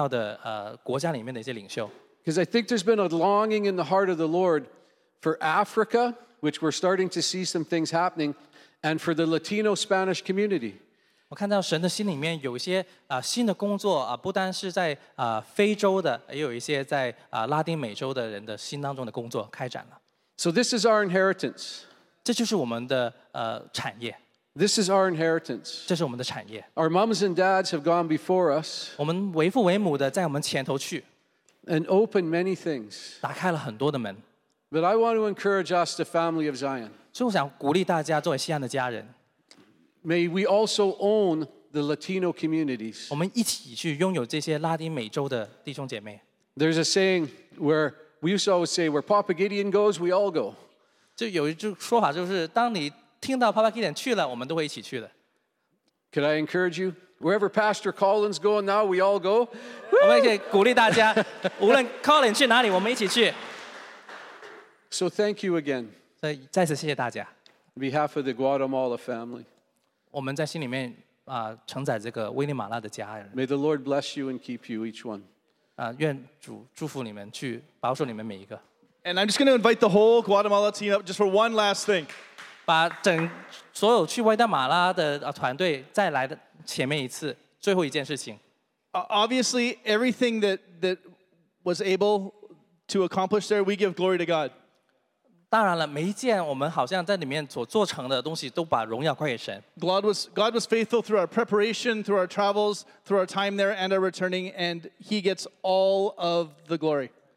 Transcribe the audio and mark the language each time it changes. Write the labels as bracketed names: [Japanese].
[Chinese] 我们知道他们已经邀请了，就是代爸去到那里服侍一些重要的国家里面的一些领袖。 [English] Because I think there's been a longing in the heart of the Lord for Africa, which we're starting to see some things happening, and for the Latino Spanish community. [Chinese] 我看到神的心里面有一些新的工作，不单是在非洲的，也有一些在拉丁美洲的人的心当中的工作开展了。 [English] So this is our inheritance. [Chinese] 这就是我们的产业。 [English] This is our inheritance. [Chinese] 这是我们的产业。 [English] Our moms and dads have gone before us. [Chinese] 我们为父为母的在我们前头去。 [English] And opened many things. [Chinese] 打开了很多的门。 [English] But I want to encourage us, the family of Zion. [Chinese] 所以我想鼓励大家作为西安的家人。 [English] May we also own the Latino communities. There's a saying where we used to always say, where Papa Gideon goes, we all go. Could I encourage you? Wherever Pastor Colin's going now, we all go. So thank you again. On behalf of the Guatemala family. [Chinese] 我们在心里面承载这个威利马拉的家人。 [English] May the Lord bless you and keep you each one. [Chinese] 愿主祝福你们，去保守你们每一个。 [English] And I'm just going to invite the whole Guatemala team up just for one last thing. [Chinese] 把整所有去威利马拉的团队再来的前面一次，最后一件事情。 [English] Obviously, everything that was able to accomplish there, we give glory to God. [Chinese] 当然了，每一件我们好像在里面所做成的东西，都把荣耀归给神。 [English] God was faithful through our preparation, through our travels, through our time there, and our returning, and He gets all of the glory.